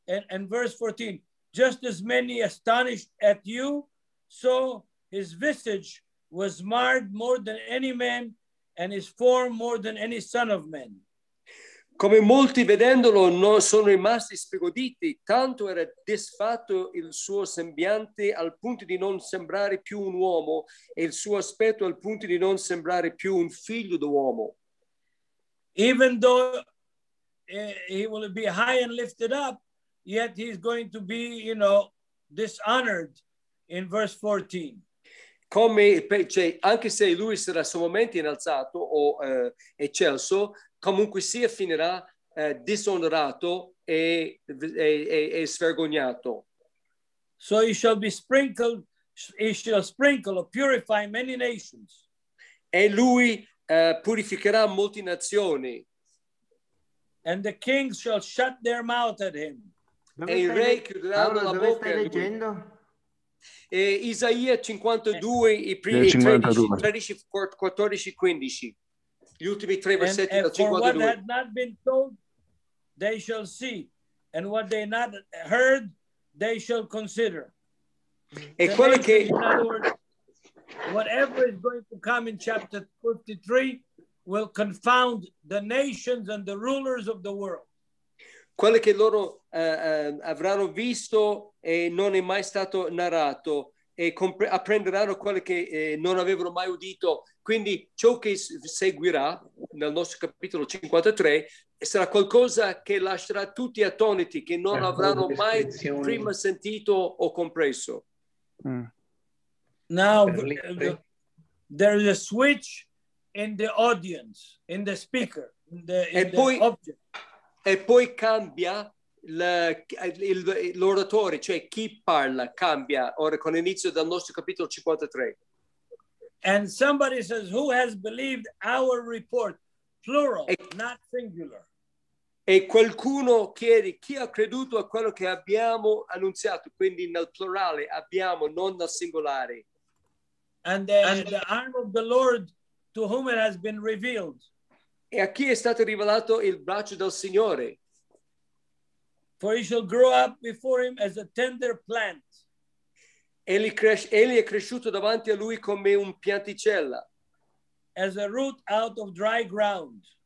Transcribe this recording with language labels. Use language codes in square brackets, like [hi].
[en] And verse 14, just as many astonished at you, so his visage was marred more than any man, and his form more than any son of man. [it] Come molti vedendolo non sono rimasti sbigoditi, tanto era disfatto il suo sembiante al punto di non sembrare più un uomo, e il suo aspetto al punto di non sembrare più un figlio d'uomo. [en] Even though he will be high and lifted up, yet he's going to be, you know, dishonored in verse 14. [it] Come, cioè, anche se lui sarà sommamente innalzato o eccelso, comunque sia finirà disonorato e svergognato. [en] So he shall be sprinkled, he shall sprinkle or purify many nations. [it] E lui purificherà molte nazioni. [en] And the kings shall shut their mouth at him. [it] E il re chiuderà la bocca. Dove stai leggendo? E Isaia 52, i primi 13, 14, 15. Gli ultimi tre versetti da 52. [en] And for what had not been told, they shall see. And what they not heard, they shall consider. [it] E quello che... [en] In other words, whatever is going to come in chapter 53 will confound the nations and the rulers of the world. [it] Quello che loro avranno visto e non è mai stato narrato, e apprenderanno quello che non avevano mai udito. Quindi ciò che seguirà nel nostro capitolo 53 sarà qualcosa che lascerà tutti attoniti, che non avranno mai prima sentito o compreso. [en] Now there is a switch in the audience, in the speaker, in the object. [it] E poi cambia l'oratore, cioè chi parla, cambia ora con l'inizio del nostro capitolo 53. [en] And somebody says, who has believed our report? Plural, not singular. [it] E qualcuno chiede, chi ha creduto a quello che abbiamo annunziato? Quindi nel plurale, abbiamo, non nel singolare. [en] And the arm of the Lord to whom it has been revealed. [it] E a chi è stato rivelato il braccio del Signore? [en] For he shall grow up before him as a tender plant. [it] Egli è cresciuto davanti a lui come un pianticella. [en] As a root out of dry ground.